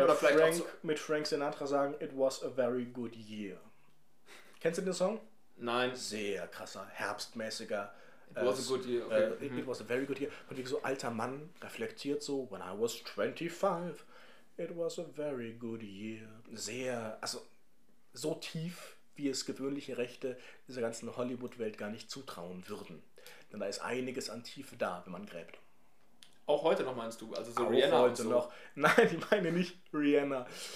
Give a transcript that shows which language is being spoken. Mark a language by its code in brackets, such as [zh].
[de] Oder vielleicht Frank, auch mit Frank Sinatra sagen, [en] it was a very good year. [de] Kennst du den Song? Nein. Sehr krasser, herbstmäßiger. [en] It was a very good year. [de] Und wie so alter Mann reflektiert so, [en] when I was 25, it was a very good year. [de] Sehr, also so tief, wie es gewöhnliche Rechte dieser ganzen Hollywood-Welt gar nicht zutrauen würden. Denn da ist einiges an Tiefe da, wenn man gräbt. Auch heute noch meinst du? Also so auch Rihanna heute und so. Noch. Nein, ich meine nicht Rihanna.